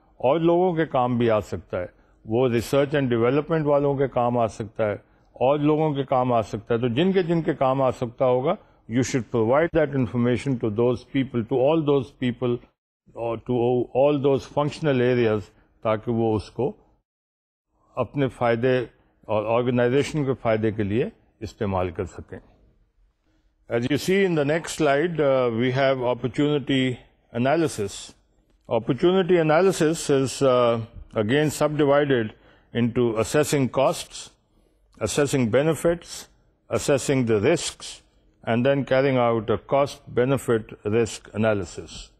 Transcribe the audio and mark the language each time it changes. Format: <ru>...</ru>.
<ur>اور لوگوں کے کام بھی آ سکتا ہے, وہ ریسرچ اینڈ ڈیولپمنٹ والوں کے کام آ سکتا ہے, اور لوگوں کے کام آ سکتا ہے. تو جن کے کام آ سکتا ہوگا,</ur> <en>you should provide that information to those people, to all those people, to all those functional areas,</en> <ur>تاکہ وہ اس کو اپنے فائدے اور آرگنائزیشن کے فائدے کے لیے استعمال کر سکیں.</ur> <en>As you see in the next slide, we have opportunity analysis. Opportunity analysis is again subdivided into assessing costs, assessing benefits, assessing the risks, and then carrying out a cost-benefit-risk analysis.</en>